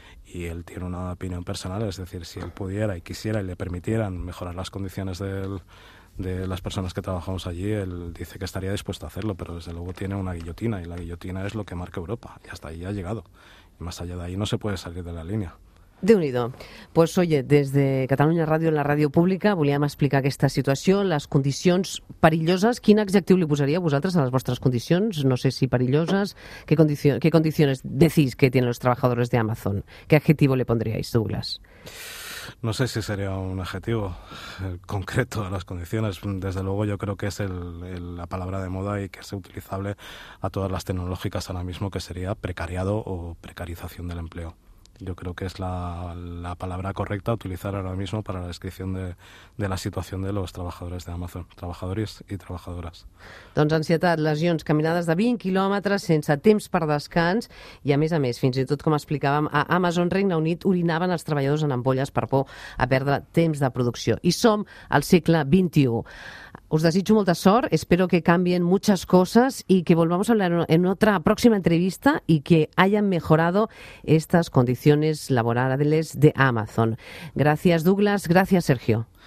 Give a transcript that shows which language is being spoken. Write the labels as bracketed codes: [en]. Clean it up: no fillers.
[es] Y él tiene una opinión personal, es decir, si él pudiera y quisiera y le permitieran mejorar las condiciones de las personas que trabajamos allí, él dice que estaría dispuesto a hacerlo, pero desde luego tiene una guillotina, y la guillotina es lo que marca Europa, y hasta ahí ha llegado. Y más allá de ahí no se puede salir de la línea. [ca] Déu-n'hi-do. [es] Pues oye, [ca] des de Catalunya Ràdio, en la ràdio pública, volíem explicar aquesta situació, les condicions perilloses. Quin adjectiu li posaria vosaltres a les vostres condicions? No sé si perilloses. [es] Què condicions decís que tienen los trabajadores de Amazon? ¿Qué adjetivo le pondríais, Douglas? No sé si sería un adjetivo concreto a las condiciones. Desde luego yo creo que es la palabra de moda y que es utilizable a todas las tecnológicas ahora mismo, que sería precariado o precarización del empleo. Yo creo que es la palabra correcta a utilizar ahora mismo para la descripción de la situación de los trabajadores de Amazon, trabajadores y trabajadoras. [ca] Doncs ansietat, lesions, caminades de 20 quilòmetres sense temps per descans, i a més, fins i tot com explicàvem, a Amazon Regne Unit orinaven els treballadors en ampolles per por a perdre temps de producció. I som al segle XXI. Us desitjo molta sort, espero que canvien [es] muchas cosas y que volvamos a hablar en otra próxima entrevista y que hayan mejorado estas condiciones laborales de Amazon. Gracias, Douglas. Gracias, Sergio.